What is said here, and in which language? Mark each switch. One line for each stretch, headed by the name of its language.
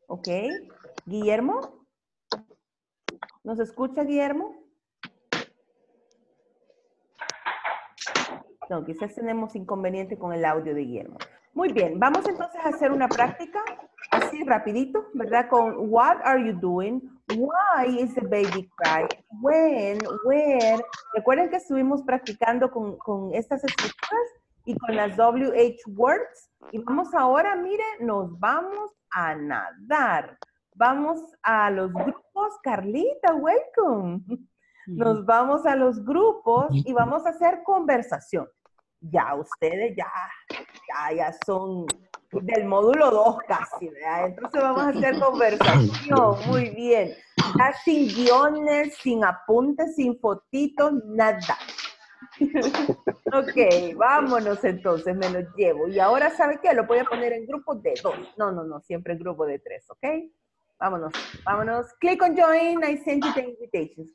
Spanish: Okay. Guillermo? ¿Nos escucha, Guillermo? No, quizás tenemos inconveniente con el audio de Guillermo. Muy bien, vamos entonces a hacer una práctica, así rapidito, ¿verdad?
English: Con what are you doing, why is the baby crying, when, where.
Spanish: Recuerden que estuvimos practicando con estas estructuras y con las WH words. Y vamos ahora, miren, nos vamos a nadar. Vamos a los grupos. Carlita, welcome. Nos vamos a los grupos y vamos a hacer conversación. Ya ustedes ya son del módulo 2 casi, ¿verdad? Entonces vamos a hacer conversación. Muy bien. Ya sin guiones, sin apuntes, sin fotitos, nada. Ok, vámonos entonces, me los llevo. Y ahora, ¿sabe qué? Lo voy a poner en grupo de 2. No, no, no, siempre en grupo de 3, ¿ok? Vámonos, vámonos.
English: Click on join, I sent you the invitations.